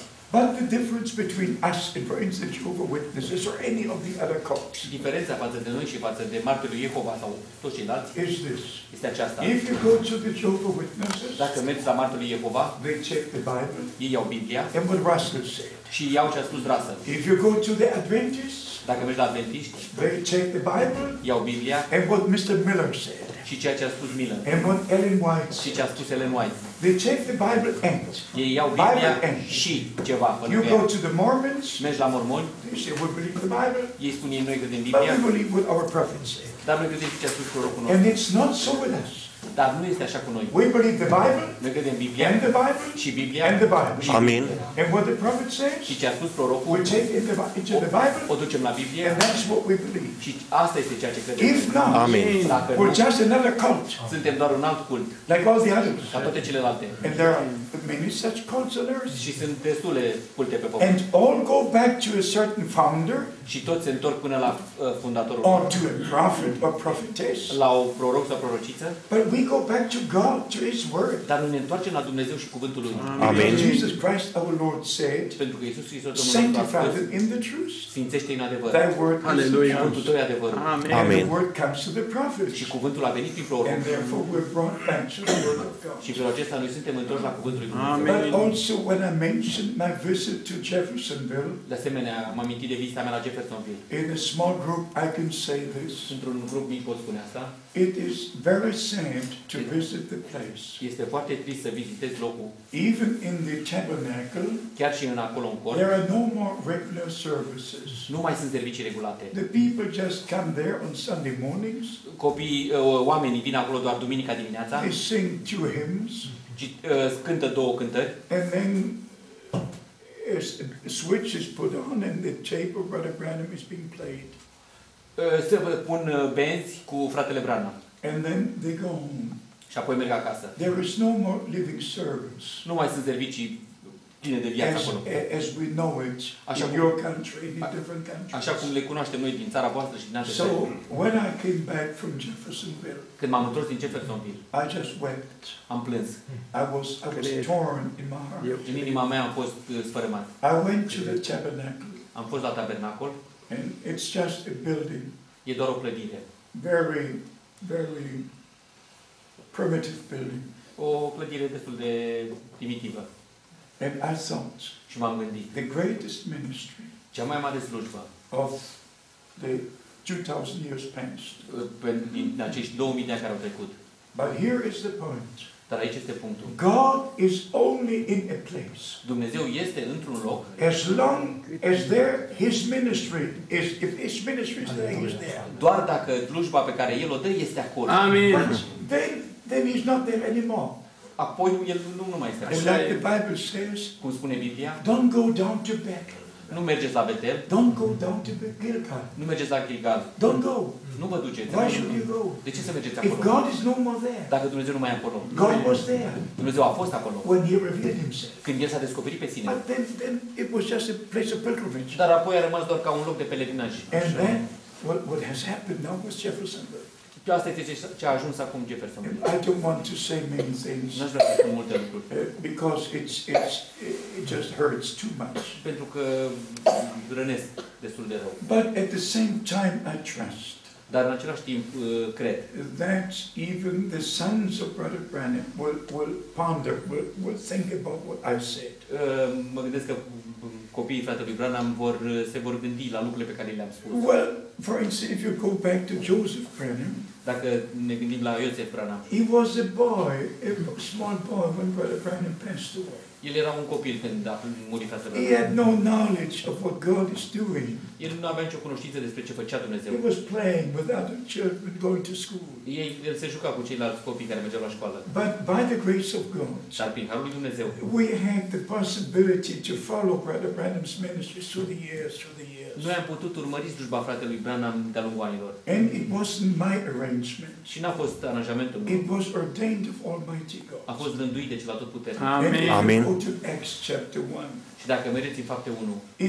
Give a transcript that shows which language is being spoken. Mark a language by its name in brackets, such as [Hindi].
[English] But the difference between us and, for instance, Jehovah Witnesses or any of the other cults. [Romanian] Diferența față de noi și față de martirii Jehova sau toți ceilalți. [English] Is this? [Romanian] Este aceasta. [English] If you go to the Jehovah Witnesses. [Romanian] Dacă mergi la martirii Jehova. [English] They check the Bible. [Romanian] Ei iau Biblia. [English] And what Russell said. [Romanian] Și iau ce a spus Russell. [English] If you go to the Adventists. [Romanian] Dacă mergi la Adventiști. [English] They check the Bible. [Romanian] Iau Biblia. [English] And what Mr. Miller said. [Romanian] Și ceea ce a spus Miller. [English] And what Ellen White. [Romanian] Și ce a spus Ellen White. [English] They check the Bible and. [Romanian] Ei iau Biblia și ceva. [English] You go to the Mormons. [Romanian] Mergi la mormoni. [English] They say we believe the Bible. [Romanian] Ei spun ei noi credem Biblia. [English] But we believe what our prophets say. [Romanian] Dar noi credem ce a spus prorocul nostru. [English] And it's not so with us. [Romanian] Dar nu este așa cu noi. [English] We believe the Bible. [Romanian] Noi credem Biblia. [English] And the Bible. Și Biblia. And the Bible. Amen. And what the prophet says. [Romanian] Și ce a spus prorocul. [English] We take into the Bible. [Romanian] O ducem la Biblie. [English] And that's what we believe. [Romanian] Și asta este ceea ce credem. [English] If not, amen. [Romanian] Dacă [English] we're just another cult. [Romanian] Suntem doar un alt cult. [English] Like all the others. [Romanian] Ca toate celelalte. [English] And there are many such cults on earth. [Romanian] Și sunt destule culte pe pământ. [English] And all go back to a certain founder. [Romanian] Și toți se întorc până la fundatorul. [English] Or to a prophet or prophetess. [Romanian] La o proroc sau prorocită. [English] But we go back to God, to His Word. [Romanian] Dar ne întoarcem la Dumnezeu și cuvântul Lui. Amen. [English] Jesus Christ, our Lord, said. [Romanian] Pentru că Iisus Hristos, Domnul nostru, a spus. [English] In the truth. [Romanian] Sfințește în adevăr. [English] Thy word is [Romanian] Hallelujah. Cuvântul tău e adevăr. Amen. Amen. [English] The word comes to the prophets. [Romanian] Și cuvântul a venit prin proroc. [English] And therefore we're brought back to the Word of God. [Romanian] Și prin acesta noi suntem întorși la cuvântul Lui. Amen. [English] But also when I mentioned my visit to Jeffersonville. [Romanian] De asemenea, m-am amintit de vizita mea la Jeffersonville. [English] In a small group, I can say this. [Romanian] Într-un grup mic pot spune asta. [English] It is very sad to visit the place. [Romanian] Este foarte trist să vizitezi locul. [English] Even in the tabernacle, [Romanian] chiar și în acolo în cort, [English] there are no more regular services. [Romanian] Nu mai sunt servicii regulate. [English] The people just come there on Sunday mornings. [Romanian] Copii, oamenii vin acolo doar duminica dimineața. [English] They sing two hymns. [Romanian] Cântă două cântări. [English] And then a switch is put on and the tape of Brother Branham is being played. [Romanian] Se pun benzi cu fratele Branham. [English] And then they go home. [Romanian] Și apoi merg acasă. [English] There is no more living service. [Romanian] Nu mai sunt servicii pline de viață [English] as, [Romanian] acolo. [English] As we know it, așa in your country, in different countries. [Romanian] Așa cum le cunoaștem noi din țara voastră și din alte [English] So, when I came back from Jeffersonville. [Romanian] Când m-am întors din Jeffersonville. [English] I just wept. [Romanian] Am plâns. [English] I was torn in my heart. [Romanian] În inima mea am fost sfărâmat. [English] I went to the tabernacle. [Romanian] Am fost la tabernacol. [English] And it's just a building. [Romanian] E doar o clădire. [English] Very, very primitive building. [Romanian] O clădire destul de primitivă. [English] And I thought. [Romanian] Și m-am gândit. [English] The greatest ministry. [Romanian] Cea mai mare slujbă. [English] Of the 2,000 years past. [Romanian] Din acești 2000 de ani care au trecut. [English] But here is the point. [Romanian] Dar aici este punctul. [English] God is only in a place. [Romanian] Dumnezeu este într-un loc. [English] As long as there his ministry is if his ministry is there, he's there. [Romanian] Doar dacă slujba pe care el o dă este acolo. Amen. [English] Then he's not there anymore. [Romanian] Apoi el nu mai este. [English] And like the Bible says, [Romanian] cum spune Biblia, [English] don't go down to Bethel. [Romanian] Nu mergeți la Betel. [English] Don't go down to Gilgal. [Romanian] Nu mergeți la Gilgal. [English] Don't go. [Romanian] Nu vă duceți. [English] Why should you go? [Romanian] De ce să mergeți [English] If [Romanian] acolo? [English] If God is no more there. [Romanian] Dacă Dumnezeu nu mai e acolo. [English] God was there. [Romanian] Dumnezeu a fost acolo. [English] When he revealed himself. [Romanian] Când el s-a descoperit pe sine. [English] But then it was just a place of pilgrimage. [Romanian] Dar apoi a rămas doar ca un loc de pelerinaj. [English] And then what has happened now was Jeffersonville. [Romanian] Și asta este ce a ajuns acum Jeffersonville. [English] I don't want to say many things. [Romanian] N-aș vrea să spun multe lucruri. [English] Because it's it just hurts too much. [Romanian] Pentru că rănesc destul de rău. [English] But at the same time I trust. [Romanian] Dar în același timp cred. [English] That even the sons of Brother Branham will ponder, will think about what I said. [Romanian] Mă gândesc că copiii fratelui Branham se vor gândi la lucrurile pe care le-am spus. [English] Well, for instance, if you go back to Joseph Branham. [Romanian] Dacă ne gândim la Joseph Branham. [English] He was a boy, a small boy when Brother Branham passed away. [Romanian] El era un copil când a murit fratele. [English] He had no knowledge of what God is doing. [Romanian] El nu avea nicio cunoștință despre ce făcea Dumnezeu. [English] He was playing with other children going to school. [Romanian] El se juca cu ceilalți copii care mergeau la școală. [English] But by the grace of God. [Romanian] Dar prin harul lui Dumnezeu. [English] We have the possibility to follow Brother Branham's ministry through the years. [Romanian] Noi am putut urmări slujba fratelui Branham de-a lungul anilor. [English] And it wasn't my arrangement. [Romanian] Și n-a fost aranjamentul meu. [English] It was ordained of Almighty God. [Romanian] A fost rânduit de cel atotputernic. Amen. Amen. [English] Go to Acts chapter 1. [Romanian] Și dacă mergeți în fapte 1.